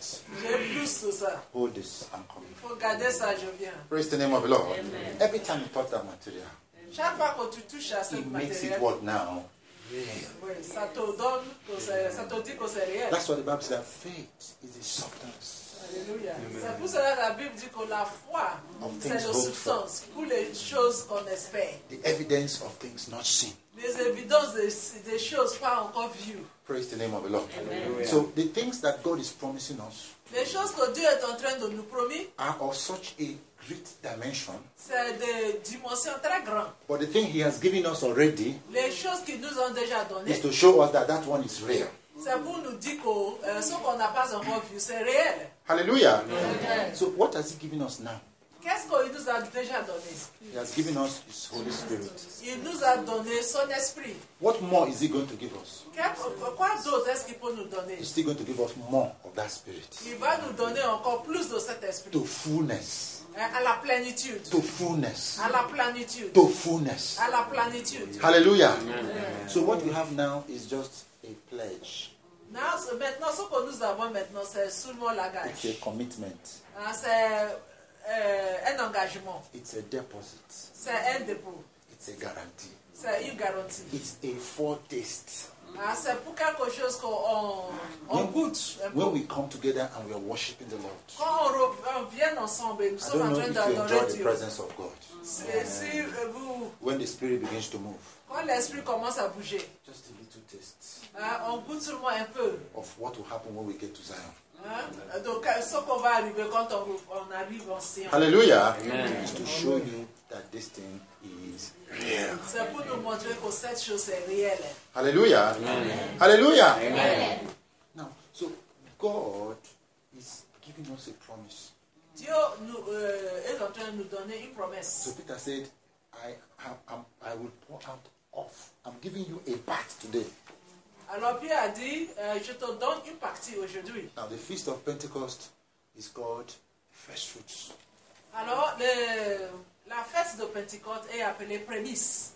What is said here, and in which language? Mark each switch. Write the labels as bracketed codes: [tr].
[en] Mm-hmm. Hold this. I'm coming. Forget this. Praise the name of the Lord. Amen. Every time you touch that material, Amen. It makes it what now? Real. That's what the Bible says, that faith is the substance. Hallelujah. [fr] C'est pour cela que la Bible dit que la foi, c'est le substance, toutes les choses qu'on espère. [en] The evidence of things not seen. [fr] Les évidences des choses pas encore vues. [en] Praise the name of the Lord. Amen. So the things that God is promising us. [fr] Les choses que Dieu est en train de nous promettre. [en] Are of such a great dimension. [fr] C'est des dimensions très grandes. [en] But the thing He has given us already. [fr] Les choses qu'il nous a déjà données. [en] Is to show us that that one is real. [fr] C'est pour nous dire que ce qu'on n'a pas encore vu, c'est réel. [en] Hallelujah. Amen. So what has He given us now? [fr] Qu'est-ce qu'il nous a déjà donné? [en] He has given us His Holy Spirit. [fr] Il nous a donné son esprit. [en] What more is He going to give us? [fr] Quoi d'autre est-ce qu'il peut nous donner? [en] He's still going to give us more of that spirit. [fr] Il va nous donner encore plus de cet esprit. [en] To fullness. [fr] À la plénitude. [en] To fullness. [fr] À la plénitude. [en] To fullness. [fr] À la plénitude. [en] Hallelujah. Amen. So what we have now is just a pledge. Now, so [fr] maintenant, ce que nous avons maintenant, c'est seulement la gage. [en] It's a commitment. [fr] C'est un engagement. [en] It's a deposit. [fr] C'est un dépôt. [en] It's a guarantee. [fr] C'est une garantie. [en] It's a foretaste. [fr] C'est pour quelque chose qu'on goûte. [en] When we come together and we are worshiping the Lord. [fr] Quand on vient ensemble, nous sommes en train d'adorer Dieu. [en] I don't know if you enjoy the presence of God. [fr] Si vous. [en] When the Spirit begins to move. [fr] Quand l'esprit commence à bouger. [en] Just a little taste. [fr] On goûte seulement un peu. [en] Of what will happen when we get to Zion. [fr] Donc, ce qu'on va arriver quand on arrive en Sion. [en] Hallelujah. Is to show you that this thing is real. [fr] C'est pour nous montrer que cette chose est réelle. [en] Hallelujah. Amen. Hallelujah. Amen. Now, so God is giving us a promise. [fr] Dieu est en train de nous donner une promesse. [en] So Peter said, I will pour out off. I'm giving you a bath today. [fr] Alors Pierre a dit, je te donne une partie aujourd'hui. [en] Now the feast of Pentecost is called first fruits. [fr] Alors la fête de Pentecôte est appelée prémisse.